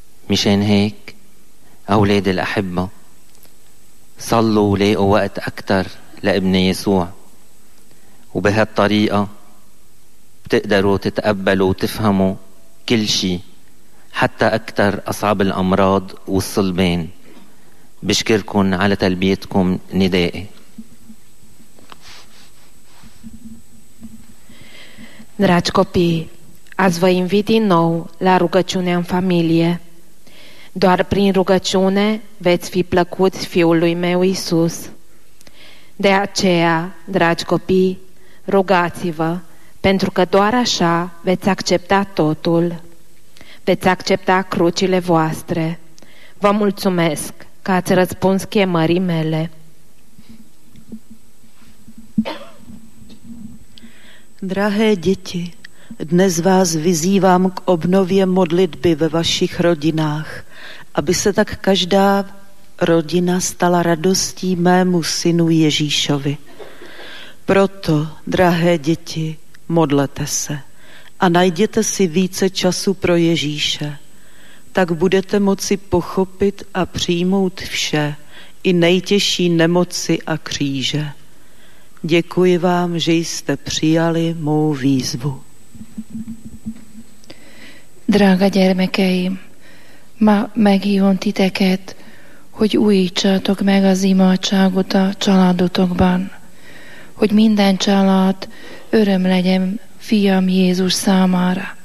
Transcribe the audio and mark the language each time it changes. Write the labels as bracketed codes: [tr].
[ar] مشان هيك أولاد الأحبة، صلوا ولاقوا وقت أكتر لابن يسوع، وبهالطريقة بتقدروا تتقبلوا وتفهموا كل شيء، حتى أكتر أصعب الأمراض والصلبين. بشكركم على تلبيتكم ندائي. [ro] Dragi copii, azi vă invit din nou la rugăciune în familie. Doar prin rugăciune veți fi plăcuți Fiului meu Iisus. De aceea, dragi copii, rugați-vă, pentru că doar așa veți accepta totul. Veți accepta crucile voastre. Vă mulțumesc că ați răspuns chemării mele. [cs] Drahé děti, dnes vás vyzývám k obnově modlitby ve vašich rodinách, aby se tak každá rodina stala radostí mému synu Ježíšovi. Proto, drahé děti, modlete se a najděte si více času pro Ježíše. Tak budete moci pochopit a přijmout vše, i nejtěžší nemoci a kříže. Děkuji vám, že jste přijali mou výzvu. [hu] Drága gyermekeim, ma meghívom titeket, hogy újítsátok meg az imádságot a családotokban, hogy minden család öröm legyen fiam Jézus számára.